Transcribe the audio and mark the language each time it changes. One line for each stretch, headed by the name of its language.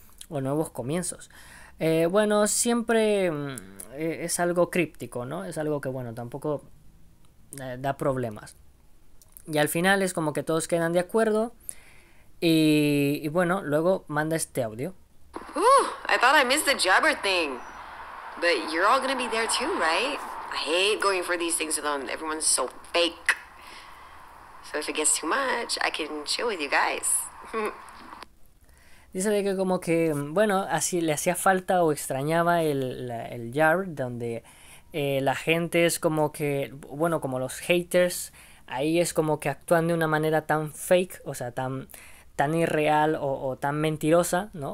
Spanish: O nuevos comienzos. Bueno, siempre es algo críptico, ¿no? Es algo que, bueno, tampoco da problemas. Y al final es como que todos quedan de acuerdo. Y bueno, luego manda este audio.
English: I thought I missed the jabber thing. But you're all gonna be there too, right? I hate going for these things alone. Everyone's so fake. So if it gets too much, I can chill with you guys.
Spanish: Dice de que como que, bueno, así le hacía falta o extrañaba el yard, donde la gente es como que, bueno, como los haters, ahí es como que actúan de una manera tan fake, o sea, tan irreal o tan mentirosa, ¿no?